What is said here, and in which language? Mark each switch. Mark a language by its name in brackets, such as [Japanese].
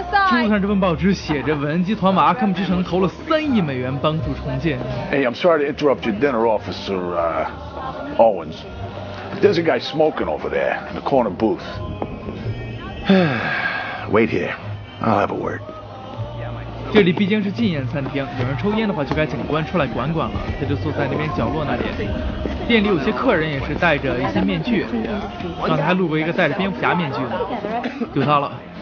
[Chinese] 屏幕上这份报纸写着，韦恩集团往阿卡姆之城投了$3亿帮助重建。 [English] Hey, I'm sorry to interrupt your dinner, Officer Owens. There's a guy smoking over there in the corner booth. Wait here, I'll have a word. [Chinese] 这里毕竟是禁烟餐厅，有人抽烟的话就该警官出来管管了。他就坐在那边角落那里。店里有些客人也是戴着一些面具，刚才还路过一个戴着蝙蝠侠面具的，就他了。